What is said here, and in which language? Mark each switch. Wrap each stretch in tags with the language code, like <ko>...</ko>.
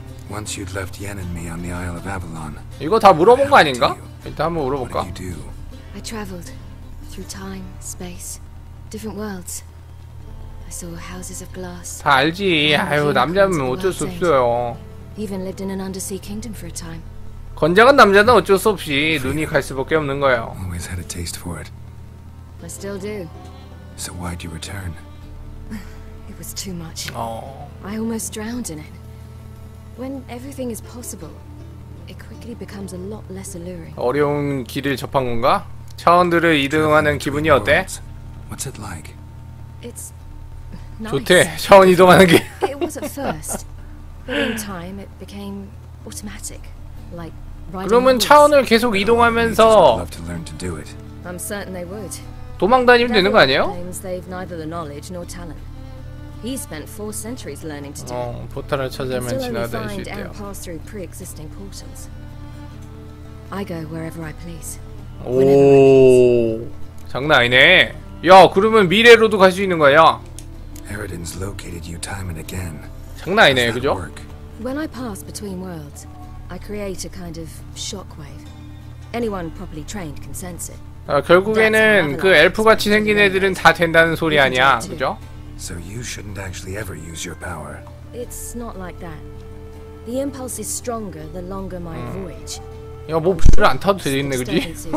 <en>Once you'd left Yen and me on the Isle of Avalon.</en> <ko>이거 다 물어본 거 아닌가? 일단 한번 물어볼까?</ko> <en>I traveled through time, space, different worlds. I saw houses of glass.</en> <ko>다 알지. 아유, 남자면 어쩔 수 없어요.</ko> <en>Even lived in an undersea kingdom for a time.</en> <ko>건장한 남자는 어쩔 수 없이 눈이 갈 수밖에 없는 거예요.</ko> <en>Always had a taste for it. I still do. So why'd you return? It was too much. I almost drowned in it. When everything is possible, it quickly becomes a lot less alluring.</en> <ko>어려운 길을 접한 건가? 차원들을 이동하는 기분이 어때?</ko> <en>What's it like? It's</en> <ko>좋대. 차원 이동하는 게.</ko> <en>It was at first, but in time it became automatic. Like</en> <ko>그러면 차원을 계속 이동하면서</ko> <en>I'm certain they would.</en> <ko>도망다니면 되는 거 아니에요?</ko> <en>They've neither the knowledge nor talent. He spent four centuries learning to do.</en> <ko>포탈을 찾으면 지나다닐 수 있대요.</ko> <en>And pass through pre-existing portals. I go wherever I please.</en> <ko>오, 장난 아니네. 야, 그러면 미래로도 갈 수 있는 거야?</ko> <en>Eridan's located you time and again.</en> <ko>장난 아니네, 그죠?</ko> <en>When I pass between worlds, I create a kind of shockwave. Anyone properly trained can sense it.</en> <ko>아, 결국에는 그 엘프 같이 생긴 애들은 다 된다는 소리 아니야, 그죠?</ko> <en>So you shouldn't actually ever use your power. It's not like that. The impulse is stronger the longer my voyage.</en> <ko>야, 뭐 불을 안 타도 되겠네, 그지?</ko>